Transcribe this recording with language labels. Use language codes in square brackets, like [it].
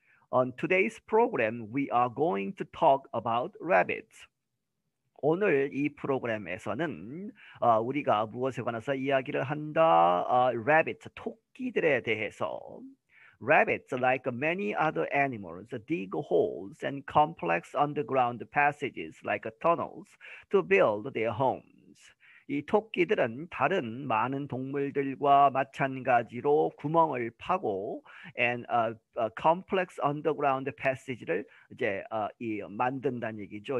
[en] On today's program, we are going to talk about rabbits. [ko] 오늘 이 프로그램에서는 우리가 무엇에 관해서 이야기를 한다? Rabbits, 토끼들에 대해서. [en] Rabbits, like many other animals, dig holes and complex underground passages, like tunnels, to build their homes. [ko] 이 토끼들은 다른 많은 동물들과 마찬가지로 구멍을 파고 [en] and a complex underground passage [ko] 를 이제 이 만든다는 얘기죠.